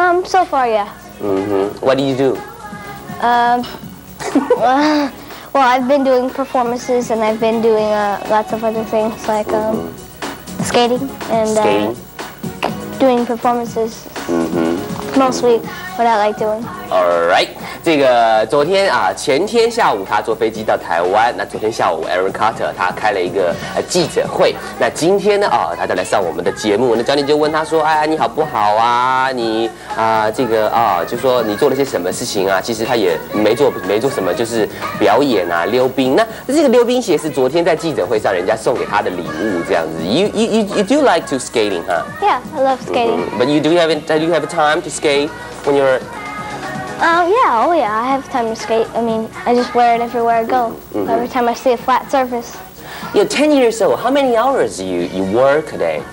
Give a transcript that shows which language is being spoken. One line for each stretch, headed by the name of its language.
English: So far, yeah. What do you do? Well, I've been doing performances and I've been doing lots of other things like skating and doing performances. Mostly what I like doing. All right.
Chinese: 这个昨天啊，前天下午他坐飞机到台湾。那昨天下午 ，Aaron Carter 他开了一个记者会。那今天呢啊，他就来上我们的节目。那教练就问他说：“哎呀，你好不好啊？你啊，这个啊，就说你做了些什么事情啊？” 其实他也没做什么，就是表演啊，溜冰。那这个溜冰鞋是昨天在记者会上人家送给他的礼物，这样子。
English: You do like to skating, huh? Yeah, I love skating. But do you have time to skate when you're I have time to skate. I mean, I just wear it everywhere I go. Mm-hmm. Every time I see a flat surface. You're 10 years old. How many hours do you work a day?